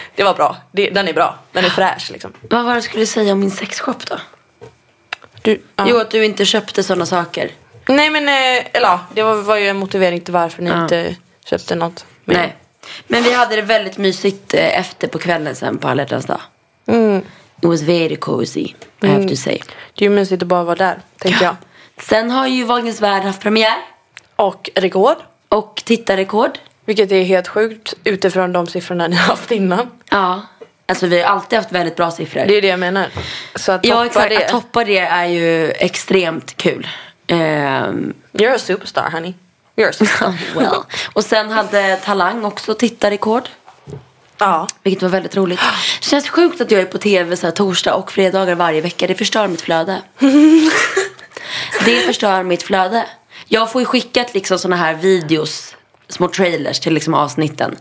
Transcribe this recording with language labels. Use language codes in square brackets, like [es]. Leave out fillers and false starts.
[sv] Det var bra. Den är bra. Den är fräsch liksom. Vad var det du skulle säga om min sexshop då? Du, jo, att du inte köpte såna saker. Nej men, eller ja, det var ju en motivering till varför ni inte köpte något. Men. Nej, men vi hade det väldigt mysigt efter på kvällen sen på Alla Hjärtans dag. Mm. [en] It was very cozy, I have to say. [sv] Det är ju mysigt att bara vara där, tänker jag. Sen har ju Vagnens Värld haft premiär. Och rekord. Och tittarrekord. Vilket är helt sjukt utifrån de siffrorna ni har haft innan. Ja, alltså vi har alltid haft väldigt bra siffror. Det är det jag menar. Så att toppa det är ju extremt kul. [en] You're a superstar, honey. You're a superstar. Well. [sv] Och sen hade Talang också tittarrekord. Ja. Vilket var väldigt roligt. Det känns sjukt att jag är på tv så här torsdag och fredagar varje vecka. Det förstör mitt flöde. Det förstör mitt flöde. Jag får ju skickat liksom såna här videos, små trailers till liksom avsnitten.